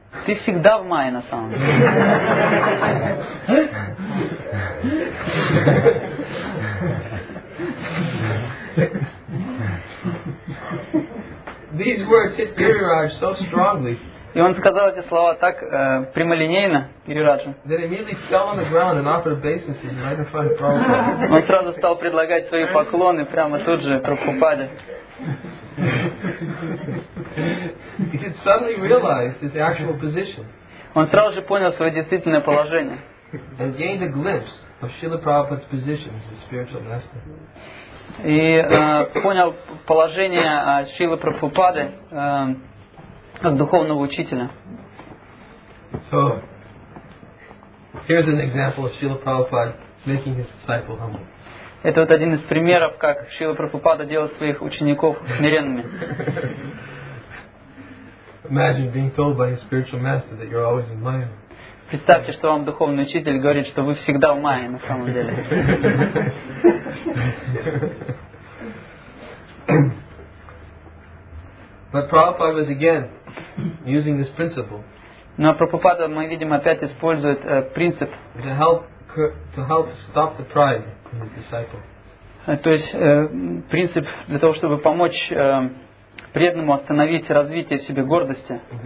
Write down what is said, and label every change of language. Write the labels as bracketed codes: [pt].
[ru] Ты всегда в Майе на самом деле. [en] These words hit Girirach so strongly. [ru] И он сказал эти слова так прямолинейно Гирираджу. [en] That he immediately fell on the ground and offered obeisances right in front of Prabhupada. [ru] Он сразу стал предлагать свои поклоны прямо тут же Прабхупаде. [en] He could suddenly realize his actual position. [ru] Он сразу же понял свое действительное положение. [en] And gained a glimpse of Srila Prabhupada's position as a spiritual master. [ru] И понял положение Шрилы Прабхупады как духовного учителя. [en] So, here's an example of Srila Prabhupada making his disciple humble. [ru] Это вот один из примеров, как Шрила Прабхупада делал своих учеников смиренными. [en] Imagine being told by his spiritual master that you're always in Maya. [ru] Представьте, что вам духовный учитель говорит, что вы всегда в Майе на самом деле. [en] But Prabhupada was again using this principle. [ru] Но Прабхупада, мы видим, опять использует принцип. [en] To help stop the pride in the disciple. [ru] То есть принцип для того, чтобы помочь преданному остановить развитие в себе гордости.